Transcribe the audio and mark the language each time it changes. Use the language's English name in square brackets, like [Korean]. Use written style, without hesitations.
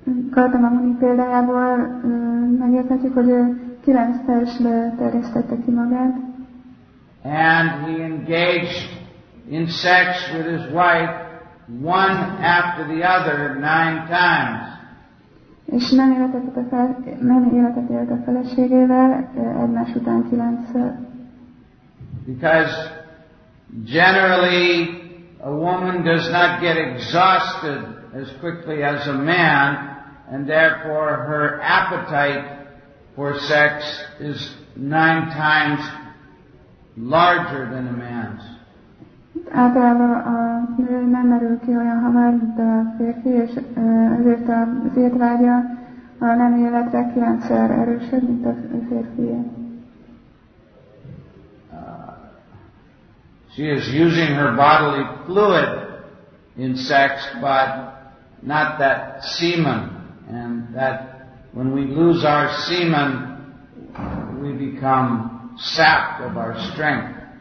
[Hungarian] Kardama Muni példájából megérthetjük, hogy 9 testbe terjesztette ki magát. [English] And he engaged in sex with his wife one after the other 9 times. [Hungarian] És nem életet élt a feleségével egymás után 9-szer. [English] Because Generally, a woman does not get exhausted as quickly as a man, and therefore her appetite for sex is 9 times larger than a man's. [Hungarian] Általában a nő nem merül ki olyan hamar, de a férfi, és ezért az étvágya a nem életre 9-szer erősebb, mint a férfié. [English] She is using her bodily fluid in sex, but not that semen. And that when we lose our semen, we become sapped of our strength.